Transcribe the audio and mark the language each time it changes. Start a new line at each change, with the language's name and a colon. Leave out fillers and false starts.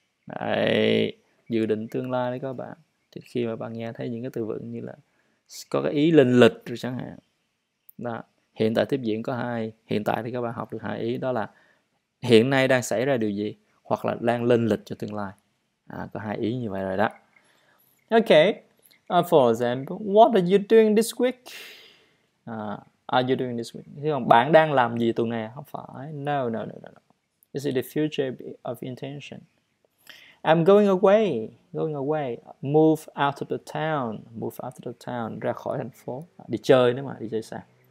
Vietnamese: Đấy, dự định tương lai đấy các bạn. Thì khi mà bạn nghe thấy những cái từ vựng như là có cái ý lên lịch rồi chẳng hạn. Đó, hiện tại tiếp diễn có hai, hiện tại thì các bạn học được hai ý, đó là hiện nay đang xảy ra điều gì hoặc là đang lên lịch cho tương lai. À, có hai ý như vậy rồi đó. Okay.
English: For example, what are you doing this week? Are you doing this week?
Vietnamese: Thế còn bạn đang làm gì tuần này? Không phải. No.
English: Is it a future of intention? I'm going away. Going away. Move out of the town. Move out of the town.
Vietnamese: Ra khỏi thành phố. Đi chơi nữa mà. Đi chơi xa.